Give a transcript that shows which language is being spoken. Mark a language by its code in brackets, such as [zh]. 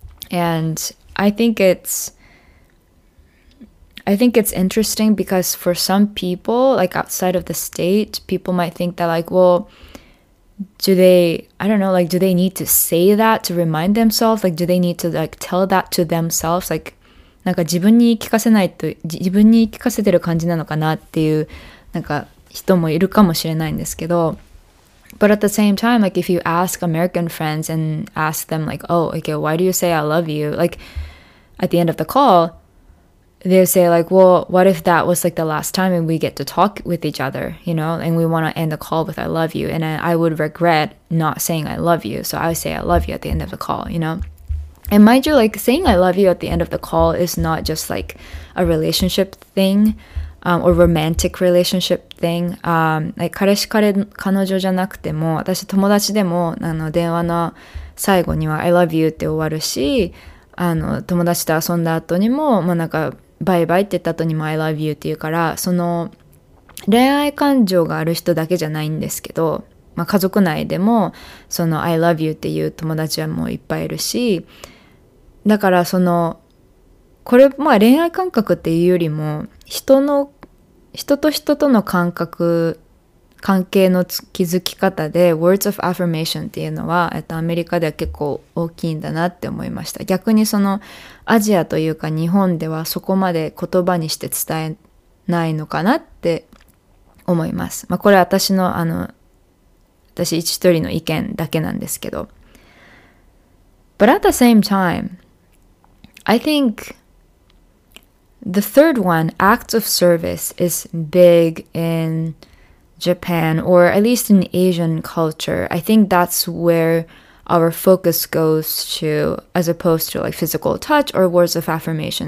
[en] And I think it's interesting because for some people, like outside of the state, people might think that like, well, do they need to say that to remind themselves? Like, do they need to like tell that to themselves? [ja] Like, なんか自分に聞かせてる感じなのかなっていうなんか人もいるかもしれないんですけど。 [en] But at the same time, like if you ask American friends and ask them like, oh, okay, why do you say I love you? Like at the end of the call, they say like, well, what if that was like the last time and we get to talk with each other, you know, and we want to end the call with I love you. And I would regret not saying I love you. So I say I love you at the end of the call, you know. And mind you, like saying I love you at the end of the call is not just like a relationship thing or romantic relationship thing. [ja] Like 彼氏彼彼女じゃなくても私友達でもあの電話の最後には [en] I love you [ja] って終わるし、あの友達と遊んだ後にも、まあ、なんかバイバイって言った後にも I love you って言うから、その恋愛感情がある人だけじゃないんですけど、まあ、家族内でもその I love you っていう友達はもういっぱいいるし、だからそのこれまあ恋愛感覚っていうよりも人と人との感覚関係の築き方で words of affirmation っていうのはアメリカでは結構大きいんだなって思いました。逆にそのアジアというか日本ではそこまで言葉にして伝えないのかなって思います。まあ、これ私のあの私一人の意見だけなんですけど。 [en] But at the same time, I think the third one, acts of service, is big inJapan, or at least in Asian culture. I think that's where our focus goes to, as opposed to like physical touch or words of affirmation.